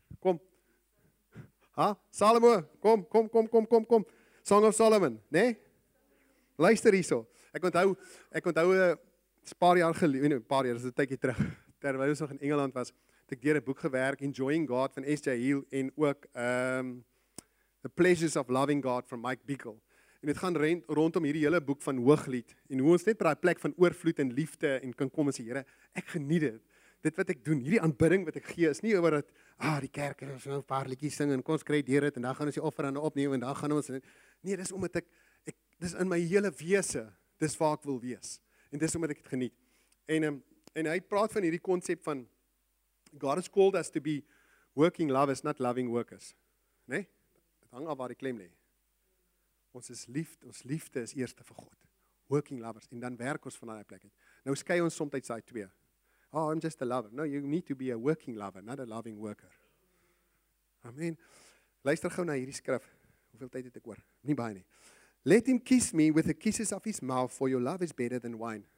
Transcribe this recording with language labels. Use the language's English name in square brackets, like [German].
[Afrikaans] Kom. Ha? Salomo, kom. Song of Solomon, né? Nee? Luister hierso. Ek onthou 'n paar jaar, dis 'n tydjie terug, terwyl ons nog in Engeland was, het ek deur 'n boek gewerk, Enjoying God van S.J. Hill en ook The Pleasures of Loving God van Mike Bickle. En dit gaan rondom hierdie hele boek van Hooglied en hoe ons net by daai plek van oorvloed en liefde en kan kom en sê Here, ek geniet dit. Dit wat ek doen, hierdie aanbidding wat ek gee, is nie oor dat die kerk en ons nou 'n paar liedjies sing en kom ons kry dit en dan gaan ons die offerande opneem en dan gaan ons nee, dis omdat ek dis in my hele wese. Dis waar ek wil wees. En dis omdat ek dit geniet. En hy praat van hierdie konsep van [English] God has called us to be working lovers, not loving workers. [Afrikaans] Né? Nee? Dit hang af waar die klem lê. Ons is liefde, ons liefde is eerste vir God. [English] Working lovers [Afrikaans] en dan werk ons van daai plek uit. Nou skei ons soms uit twee. [English] Oh, I'm just a lover. No, you need to be a working lover, not a loving worker. [Afrikaans] Amen. Luister gou na hierdie skrif. Hoeveel tyd het ek oor? Nie baie nie. [English] Let him kiss me with the kisses of his mouth, for your love is better than wine.